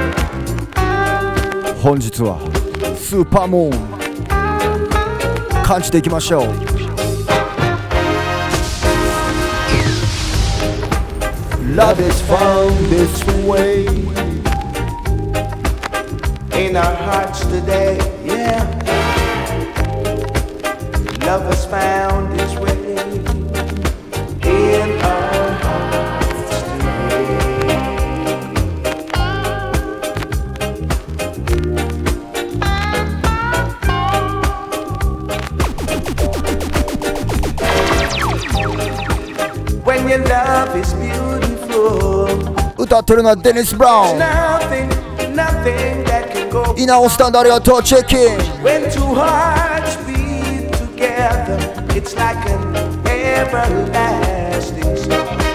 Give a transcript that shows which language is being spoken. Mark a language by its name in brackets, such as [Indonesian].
[Japanese] 本日はスーパームーン感じていきましょう。 [English] Love is found this way in our hearts today, yeah. Love is found this way in our hearts today. When your love is beautiful, [Japanese] 歌ってるのはデニス・ブラウン。イナオスタンド、ありがとう、チェキン。 [English] When two hearts beat together, it's like an everlasting song.